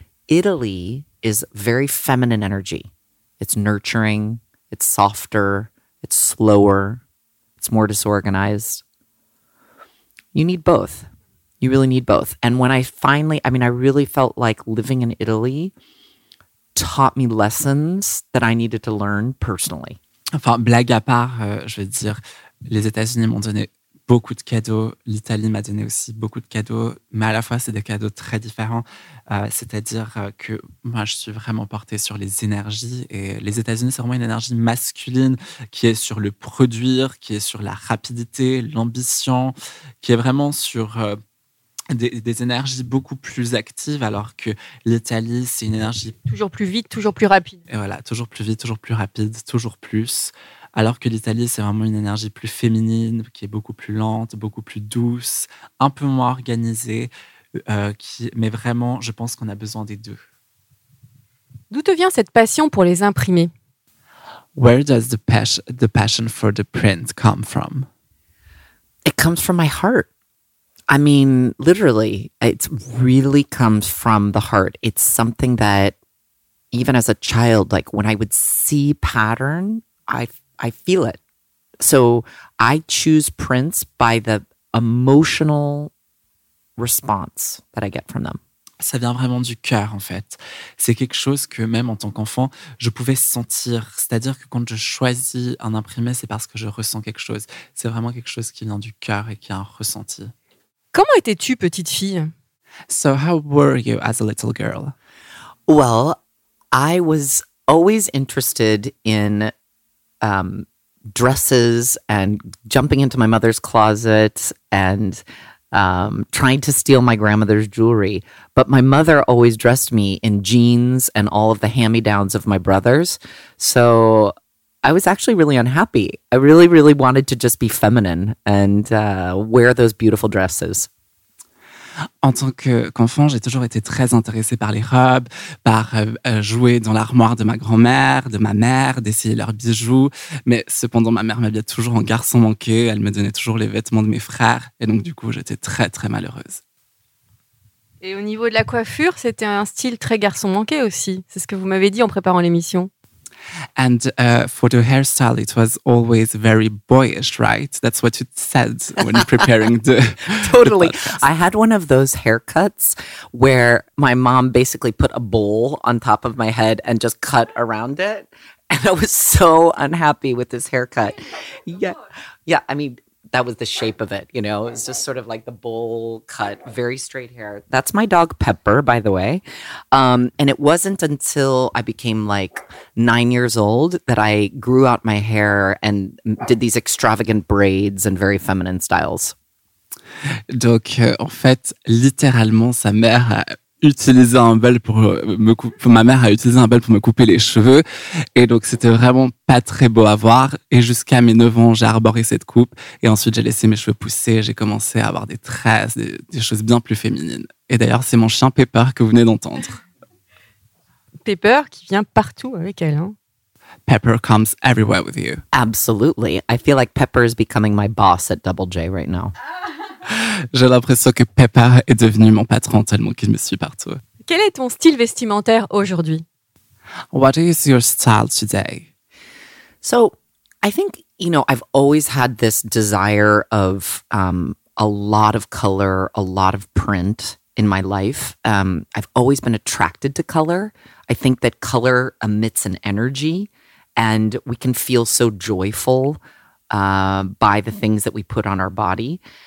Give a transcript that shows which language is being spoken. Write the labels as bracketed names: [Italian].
[English] Italy is very feminine energy. It's nurturing, it's softer, it's slower, it's more disorganized. You need both. You really need both. And when I finally, I mean, I really felt like living in Italy taught me lessons that I needed to learn personally. [French] Enfin, blague à part, je veux dire, les États-Unis m'ont donné beaucoup de cadeaux. L'Italie m'a donné aussi beaucoup de cadeaux. Mais à la fois, c'est des cadeaux très différents. C'est-à-dire que moi, je suis vraiment portée sur les énergies. Et les États-Unis, c'est vraiment une énergie masculine qui est sur le produire, qui est sur la rapidité, l'ambition, qui est vraiment sur des énergies beaucoup plus actives, alors que l'Italie, c'est une énergie... Toujours plus vite, toujours plus rapide. Et voilà, toujours plus vite, toujours plus rapide, toujours plus... Alors que l'Italie, c'est vraiment une énergie plus féminine, qui est beaucoup plus lente, beaucoup plus douce, un peu moins organisée. Mais vraiment, je pense qu'on a besoin des deux. D'où te vient cette passion pour les imprimés? [English] Where does the passion for the print come from? It comes from my heart. I mean, literally, it really comes from the heart. It's something that, even as a child, like when I would see pattern, I feel it. So I choose prints by the emotional response that I get from them. [French] Ça vient vraiment du cœur, en fait. C'est quelque chose que même en tant qu'enfant, je pouvais sentir. C'est-à-dire que quand je choisis un imprimé, c'est parce que je ressens quelque chose. C'est vraiment quelque chose qui vient du cœur et qui a un ressenti. Comment étais-tu, petite fille? [English] So how were you as a little girl? Well, I was always interested in dresses and jumping into my mother's closet and trying to steal my grandmother's jewelry. But my mother always dressed me in jeans and all of the hand-me-downs of my brothers. So I was actually really unhappy. I really, really wanted to just be feminine and wear those beautiful dresses. [French] En tant qu'enfant, j'ai toujours été très intéressée par les robes, par jouer dans l'armoire de ma grand-mère, de ma mère, d'essayer leurs bijoux. Mais cependant, ma mère m'habillait toujours en garçon manqué. Elle me donnait toujours les vêtements de mes frères. Et donc, du coup, j'étais très, très malheureuse. Et au niveau de la coiffure, c'était un style très garçon manqué aussi. C'est ce que vous m'avez dit en préparant l'émission. [English] And for the hairstyle, it was always very boyish, right? That's what you said when preparing the Totally. I had one of those haircuts where my mom basically put a bowl on top of my head and just cut around it. And I was so unhappy with this haircut. Yeah. I mean, that was the shape of it, you know? It was just sort of like the bowl cut, very straight hair. That's my dog Pepper, by the way. And it wasn't until I became like 9 years old that I grew out my hair and did these extravagant braids and very feminine styles. [French] Donc, en fait, littéralement, sa mère a utilisé un bol pour me couper, ma mère a utilisé un bol pour me couper les cheveux. Et donc, c'était vraiment pas très beau à voir. Et jusqu'à mes 9 ans, j'ai arboré cette coupe. Et ensuite, j'ai laissé mes cheveux pousser. J'ai commencé à avoir des tresses, des choses bien plus féminines. Et d'ailleurs, c'est mon chien Pepper que vous venez d'entendre. Pepper qui vient partout avec elle. Hein? [English] Pepper comes everywhere with you. Absolutely. I feel like Pepper is becoming my boss at Double J right now. [French] J'ai l'impression que Pepper est devenu mon patron tellement qu'il me suit partout. Quel est ton style vestimentaire aujourd'hui? [English] What is your style today? So, I think, you know, I've always had this desire of a lot of color, a lot of print in my life. I've always been attracted to color. I think that color emits an energy, and we can feel so joyful by the things that we put on our body.